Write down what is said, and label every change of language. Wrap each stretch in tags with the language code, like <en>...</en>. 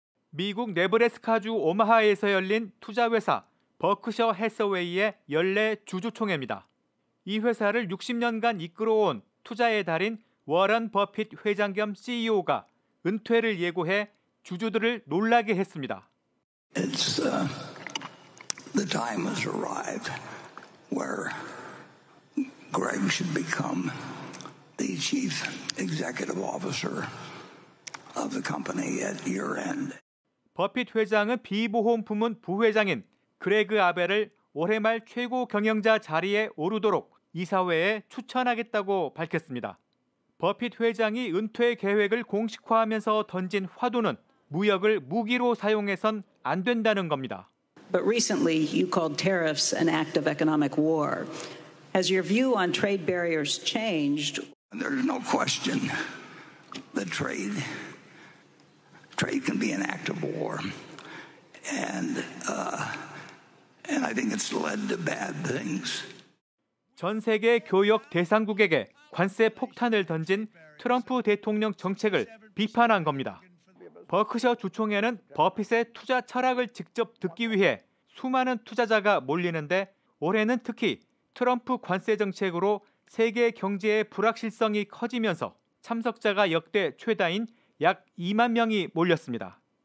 <ko>미국 네브래스카주 오마하에서 열린 투자회사 버크셔 해서웨이의 연례 주주총회입니다. 이 회사를 60년간 이끌어온 투자의 달인 워런 버핏 회장 겸 CEO가 은퇴를 예고해 주주들을 놀라게 했습니다.</ko> <en>The time has arrived where Greg should become the chief executive officer of the company at year end.</en> <ko>버핏 회장은 비보험 부문 부회장인 그레그 아벨을 올해 말 최고 경영자 자리에 오르도록 이사회에 추천하겠다고 밝혔습니다. 버핏 회장이 은퇴 계획을 공식화하면서 던진 화두는 무역을 무기로 사용해선 안 된다는 겁니다.</ko> <en>But recently, you called tariffs an act of economic war. Has your view on trade barriers changed? There's no question that trade can be an act of war, and I think it's led to bad things.</en> <ko>전 세계 교역 대상국에게 관세 폭탄을 던진 트럼프 대통령 정책을 비판한 겁니다. 버크셔 주총회는 버핏의 투자 철학을 직접 듣기 위해 수많은 투자자가 몰리는데 올해는 특히 트럼프 관세 정책으로 세계 경제의 불확실성이 커지면서 참석자가 역대 최다인 약 2만 명이 몰렸습니다.</ko>